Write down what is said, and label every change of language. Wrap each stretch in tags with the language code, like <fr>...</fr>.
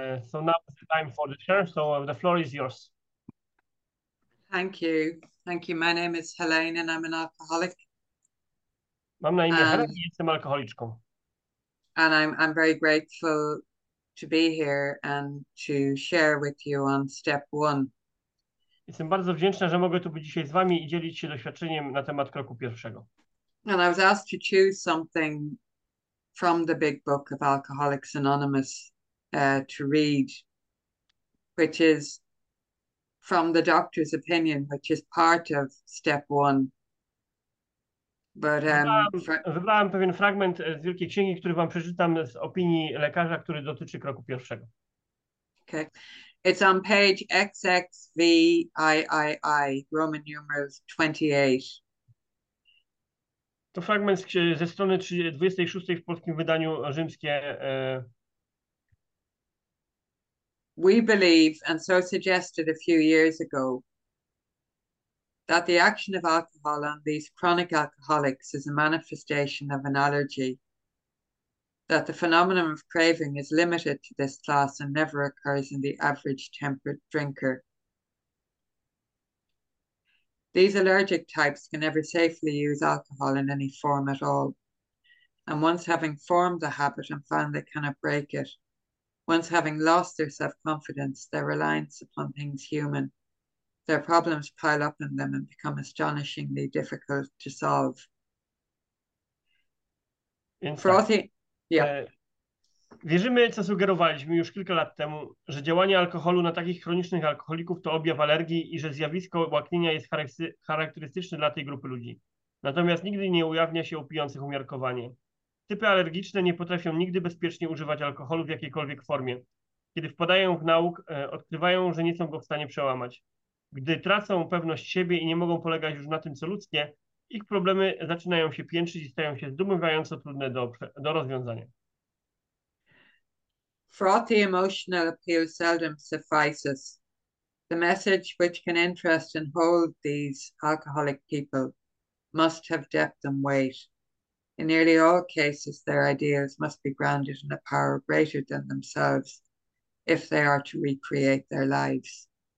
<en>So now is the time for the chair. So the floor is yours. Thank you. Thank you. My name is Helene and I'm an alcoholic.</en> <pl>Mam na imię Helen i jestem alkoholiczką.</pl> <en>And I'm very grateful to be here and to share with you on step one.</en> <pl>Jestem bardzo wdzięczna, że mogę tu być dzisiaj z wami i dzielić się doświadczeniem na temat kroku pierwszego.</pl> <en>And I was asked to choose something from the Big Book of Alcoholics Anonymous to read, which is from the doctor's opinion, which is part of step one. But</en> <pl>Wybrałem pewien fragment z Wielkiej Księgi, który wam przeczytam z opinii lekarza, który dotyczy kroku pierwszego.</pl> <en>okay. It's on page XXVIII, Roman numerals 28.</en> <pl>To fragment ze strony 26 w polskim wydaniu rzymskie.</pl> <en>We believe, and so suggested a few years ago, that the action of alcohol on these chronic alcoholics is a manifestation of an allergy, that the phenomenon of craving is limited to this class and never occurs in the average temperate drinker. These allergic types can never safely use alcohol in any form at all. And once having formed the habit and found they cannot break it, once having lost their self-confidence, their reliance upon things human, their problems pile up in them and become astonishingly difficult to solve.</en> <pl>Więc tak.</pl> <en>Frothy, yeah.</en> <pl>Wierzymy, co sugerowaliśmy już kilka lat temu, że działanie alkoholu na takich chronicznych alkoholików to objaw alergii i że zjawisko łaknienia jest charakterystyczne dla tej grupy ludzi. Natomiast nigdy nie ujawnia się u pijących umiarkowanie. Typy alergiczne nie potrafią nigdy bezpiecznie używać alkoholu w jakiejkolwiek formie. Kiedy wpadają w nałóg, odkrywają, że nie są go w stanie przełamać. Gdy tracą pewność siebie i nie mogą polegać już na tym, co ludzkie, ich problemy zaczynają się piętrzyć i stają się zdumiewająco trudne do rozwiązania.</pl> <en>Frothy emotional appeal seldom suffices. The message which can interest and hold these alcoholic people must have depth and weight. In nearly all cases, their ideals must be grounded in a power greater than themselves if they are to recreate their lives.</en>